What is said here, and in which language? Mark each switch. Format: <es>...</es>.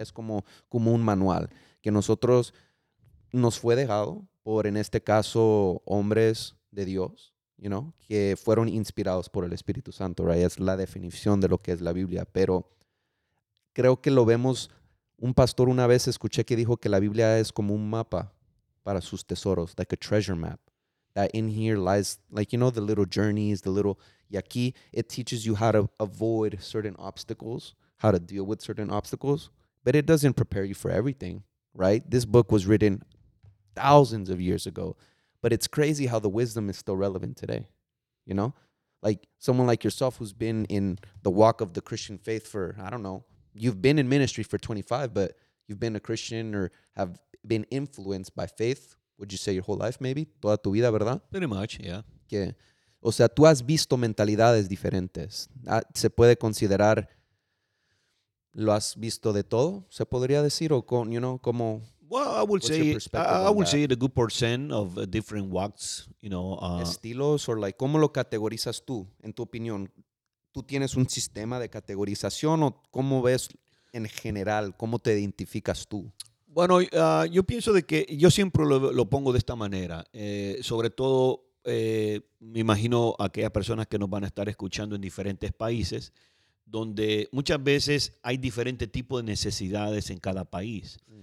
<es>Es como un manual que nosotros nos fue dejado por, en este caso, hombres de Dios, you know, que fueron inspirados por el Espíritu Santo, right? Es la definición de lo que es la Biblia, pero creo que lo vemos. Un pastor una vez escuché que dijo que la Biblia es como un mapa para sus tesoros,</es> <en>like a treasure map. That in here lies, like, you know, the little journeys, the little, y aquí, it teaches you how to avoid certain obstacles, how to deal with certain obstacles, but it doesn't prepare you for everything, right? This book was written thousands of years ago, but it's crazy how the wisdom is still relevant today, you know? Like, someone like yourself who's been in the walk of the Christian faith for, I don't know, you've been in ministry for 25, but you've been a Christian or have been influenced by faith, would you say your whole life maybe?</en> <es>Toda tu vida, ¿verdad?</es> <en>Pretty much, yeah.</en> <es>Que, o sea, tú has visto mentalidades diferentes. Se puede considerar, lo has visto de todo, se podría decir, o con, you know, como...</es> <en>Well, I would say a good percent of different walks, you know.</en> <es>Estilos, or like, ¿cómo lo categorizas tú, en tu opinión? ¿Tú tienes un sistema de categorización o cómo ves en general, cómo te identificas tú? Bueno, yo pienso de que yo siempre lo pongo de esta manera. Sobre todo, me imagino a aquellas personas que nos van a estar escuchando en diferentes países, donde muchas veces hay diferentes tipos de necesidades en cada país.</es>